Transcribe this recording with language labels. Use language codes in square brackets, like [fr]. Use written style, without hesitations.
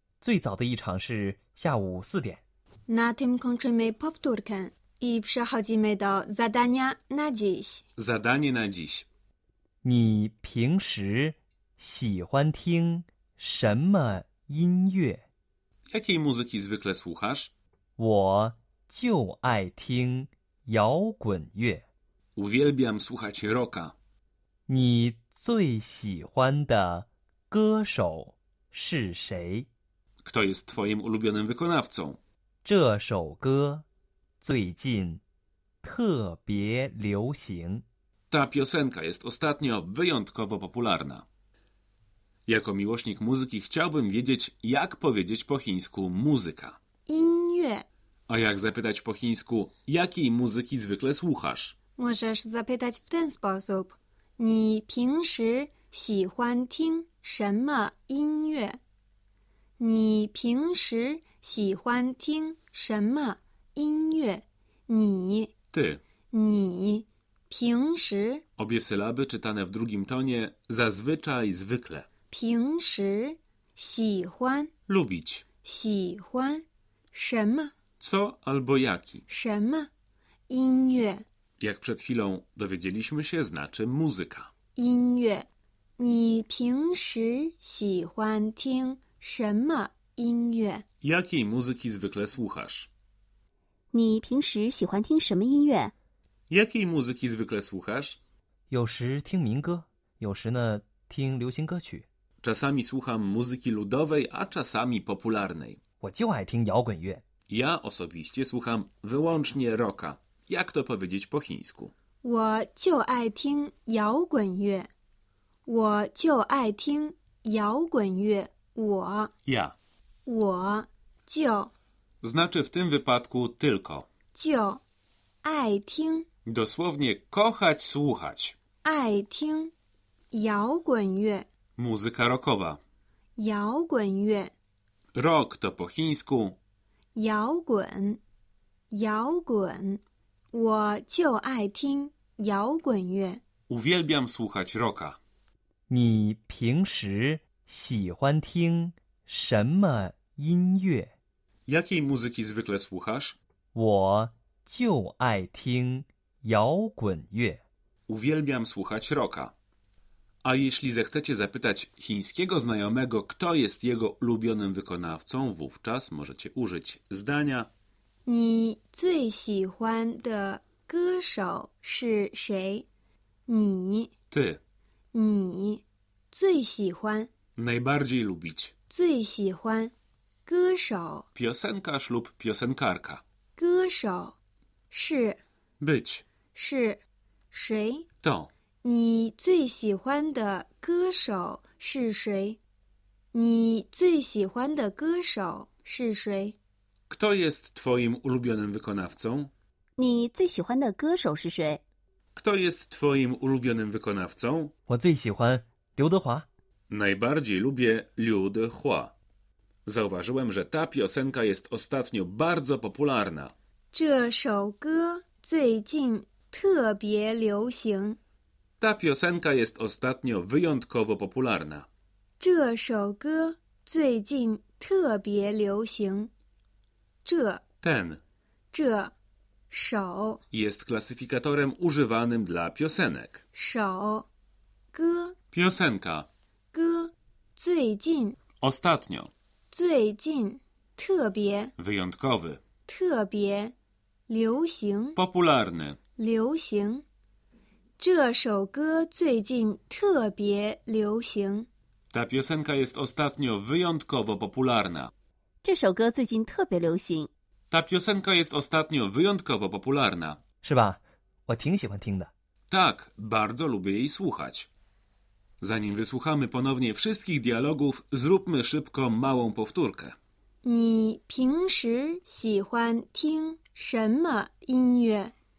[zh] 最早的一场是下午四点。 [pl] Na tym kończymy powtórkę i przechodzimy do zadania na dziś. Zadanie na dziś. [zh] 你平时喜欢听什么音乐？ [pl] Jakiej muzyki zwykle słuchasz? [zh] 我就爱听摇滚乐。 [pl] Uwielbiam słuchać rocka。 [zh] 你最喜欢的歌手是谁？ [pl] Kto jest twoim ulubionym wykonawcą? [zh] 这首歌最近特别流行。 [pl] Ta piosenka jest ostatnio wyjątkowo popularna. Jako miłośnik muzyki chciałbym wiedzieć, jak powiedzieć po chińsku muzyka. [zh] 音乐. [pl] A jak zapytać po chińsku, jakiej muzyki zwykle słuchasz? Możesz zapytać w ten sposób. [zh] 你平时喜欢听什么音乐? 你平时喜欢听什么音乐? 你 [pl] Ty [zh] 你平时 [pl] Obie sylaby czytane w drugim tonie zazwyczaj zwykle. [zh] 平时喜欢 [pl] Lubić. [zh] 喜欢什么 [pl] Co albo jaki. [zh] 什么音乐 [pl] Jak przed chwilą dowiedzieliśmy się, znaczy muzyka. [zh] 音乐你平时喜欢听什么音乐 [pl] Jakiej muzyki zwykle słuchasz? [zh] 你平时喜欢听什么音乐 [pl] Jakiej muzyki zwykle słuchasz? [zh] 有时听民歌，有时呢听流行歌曲。 [pl] Czasami słucham muzyki ludowej, a czasami popularnej. [zh] 我就爱听摇滚乐。 [pl] Ja osobiście słucham wyłącznie rocka. Jak to powiedzieć po chińsku? [zh] 我就爱听摇滚乐。我就爱听摇滚乐。我。 [pl] Ja. [zh] 我就。 [pl] Znaczy w tym wypadku tylko. [zh] 就爱听。 [pl] Dosłownie kochać słuchać. [zh] 爱听摇滚乐. [pl] Muzyka rockowa. [zh] 摇滚乐. [pl] Rock to po chińsku. [zh] 摇滚摇滚我就爱听摇滚乐. [pl] Uwielbiam słuchać rocka. [zh] 你平时喜欢听什么音乐? [pl] Jakiej muzyki zwykle słuchasz? [zh] 我就爱听摇滚乐. [pl] Uwielbiam słuchać rocka. A jeśli zechcecie zapytać chińskiego znajomego, kto jest jego ulubionym wykonawcą, wówczas możecie użyć zdania. [zh] 你最喜欢的歌手是谁?你 [pl] ty [zh] 你最喜欢 [pl] najbardziej lubić [zh] 最喜欢歌手 [pl] piosenkarz lub piosenkarka [zh] 歌手是 [pl] być [zh] 是谁 [pl] to [zh] 你最喜欢的歌手是谁你最喜欢的歌手是谁 [pl] kto jest twoim ulubionym wykonawcą [zh] 你最喜欢的歌手是谁 [pl] Kto jest twoim ulubionym wykonawcą? [zh] 我最喜欢刘德华。 [pl] Najbardziej lubię 刘德华。 Zauważyłem, że ta piosenka jest ostatnio bardzo popularna. [zh] 这首歌最近特别流行。 [pl] Ta piosenka jest ostatnio wyjątkowo popularna. [zh] 这首歌最近特别流行。这 [pl] Ten [zh] 这首 [pl] jest klasyfikatorem używanym dla piosenek. [zh] 首歌 [pl] piosenka [zh] 歌最近 [pl] ostatnio [zh] 最近特别 [pl] wyjątkowy [zh] 特别流行 [pl] popularny [zh] 流行这首歌最近特别流行 [pl] ta piosenka jest ostatnio wyjątkowo popularna. [zh] 这首歌最近特别流行 [pl] Ta piosenka jest ostatnio wyjątkowo popularna. [zh] 是吧?我挺喜欢听的。 [pl] Tak, bardzo lubię jej słuchać. Zanim wysłuchamy ponownie wszystkich dialogów, zróbmy szybko małą powtórkę. [zh] 你平时喜欢听什么音乐?